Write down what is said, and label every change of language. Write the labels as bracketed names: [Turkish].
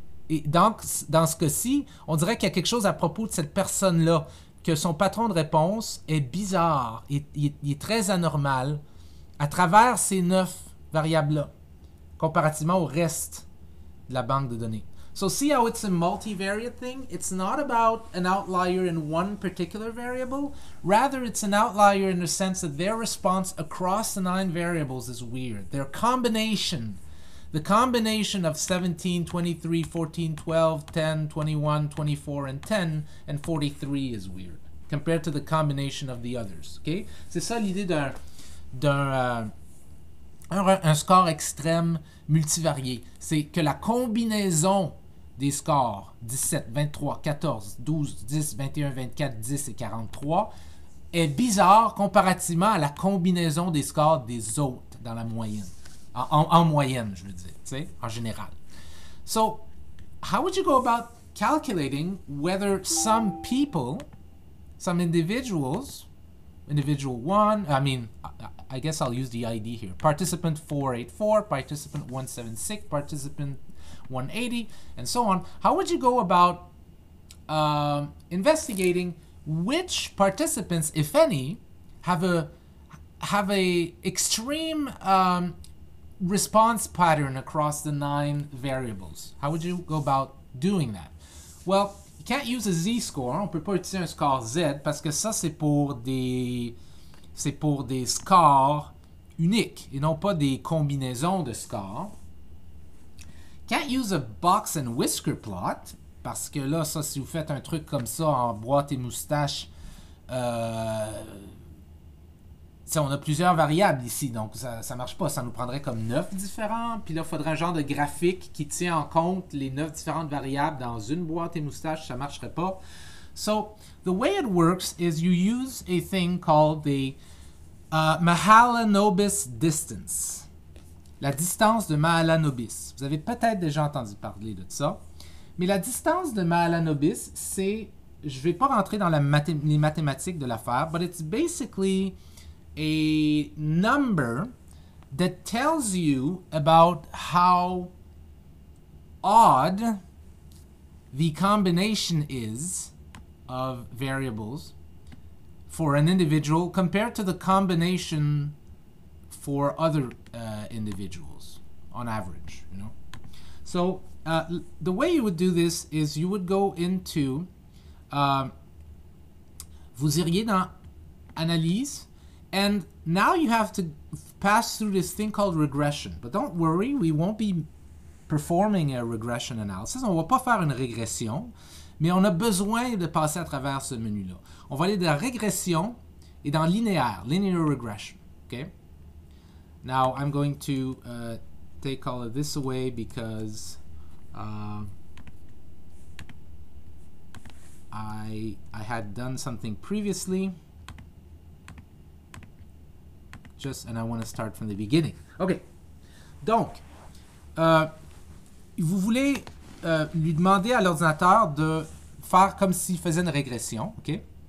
[French] Et donc, dans ce cas-ci, on dirait qu'il y a quelque chose à propos de cette personne-là, que son patron de réponse est bizarre, il est très anormal à travers ces 9 variables-là, comparativement au reste de la banque de données. [English] So see how it's a multivariate thing? It's not about an outlier in one particular variable. Rather, it's an outlier in the sense that their response across the 9 variables is weird. Their combination, the combination of 17, 23, 14, 12, 10, 21, 24, and 10, and 43 is weird compared to the combination of the others. [French] Okay? C'est ça l'idée d'un score extrême multivarié. C'est que la combinaison des scores 17, 23, 14, 12, 10, 21, 24, 10 et 43 est bizarre comparativement à la combinaison des scores des autres dans la moyenne. En moyenne, je veux dire, tu sais, en général. [English] So, how would you go about calculating whether some people, some individuals, individual 1, I mean, I guess I'll use the ID here, participant 484, participant 176, participant 180, and so on. How would you go about investigating which participants, if any, have a have a extreme response pattern across the nine variables. How would you go about doing that? Well, you can't use a z-score. [French] On peut pas utiliser un score z parce que ça c'est pour des scores uniques et non pas des combinaisons de scores. Can't use a box and whisker plot parce que là ça si vous faites un truc comme ça en boîte et moustache. T'sais, on a plusieurs variables ici, donc ça marche pas. Ça nous prendrait comme 9 différents. Puis là, il faudrait un genre de graphique qui tient en compte les 9 différentes variables dans une boîte et moustache. Ça marcherait pas. [English] So, the way it works is you use a thing called the Mahalanobis distance. [French] La distance de Mahalanobis. Vous avez peut-être déjà entendu parler de ça. Mais la distance de Mahalanobis, c'est... Je vais pas rentrer dans les mathématiques de l'affaire, but it's basically... [English] a number that tells you about how odd the combination is of variables for an individual compared to the combination for other individuals on average, you know. So the way you would do this is you would go into vous iriez dans analyse. And now you have to pass through this thing called regression. But don't worry, we won't be performing a regression analysis. [French] On va pas faire une régression, mais on a besoin de passer à travers ce menu-là. On va aller dans régression et dans linear regression. [English] Okay? Now I'm going to take all of this away because I had done something previously. Just, and I want to start from the beginning. OK. [French] Donc, vous voulez lui demander à l'ordinateur de faire comme s'il faisait une régression, OK?